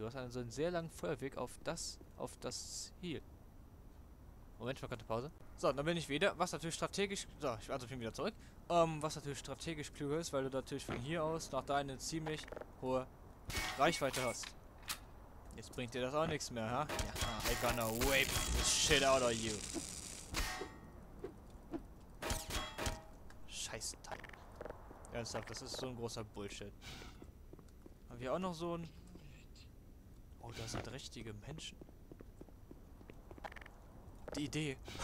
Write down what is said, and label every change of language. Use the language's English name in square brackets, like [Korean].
[German] Du hast also einen sehr langen Feuerweg auf das Ziel. Moment, ich mach grad eine Pause. So, dann bin ich wieder. Was natürlich strategisch. So, ich bin wieder zurück. Was natürlich strategisch klüger ist, weil du natürlich von hier aus nach da eine ziemlich hohe Reichweite hast. Jetzt bringt dir das auch nichts mehr, ha? [English] Ja, I gonna wipe the shit out of you. [German] Scheiß Teil. Ernsthaft, das ist so ein großer Bullshit. Haben wir auch noch so ein. Oh, da sind richtige Menschen. Die Idee.